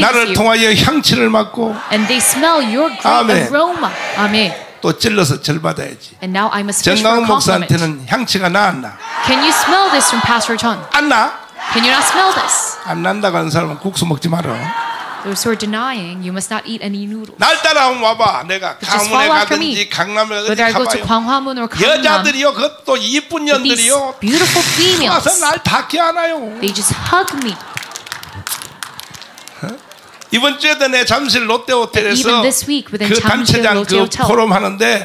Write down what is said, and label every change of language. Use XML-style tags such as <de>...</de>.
<ko>나를 통하여 향취를 맡고.</ko> <en>And they smell your great aroma.</en> <ko>아멘. 또 찔러서 절 받아야지.</ko> <en>And now I must</en> <ko>정강훈 목사한테는 향취가 나았나?</ko> <en>Can you smell this from Pastor John?</en> <ko>안 나?</ko> <en>Can you not smell this?</en> <ko>안 난다고 하는 사람은 국수 먹지 마라.</ko> <en>Those who are denying, you must not eat any noodles.</en> <ko>날 따라오면 와봐. 내가 강원에 가든지 강남에 가든지 가봐요.</ko> <en>Whether I go to 광화문 or 강남.</en> <ko>여자들이요. 그것도 이쁜 년들이요.</ko> <en>Beautiful females.</en> <ko>와서 날 닿게 하나요.</ko> <en>They just hug me.</en> <ko>이번 주에도 내 잠실 롯데호텔에서</ko> <en>even this week,</en> <ko>그 단체장 그 포럼 하는데</ko>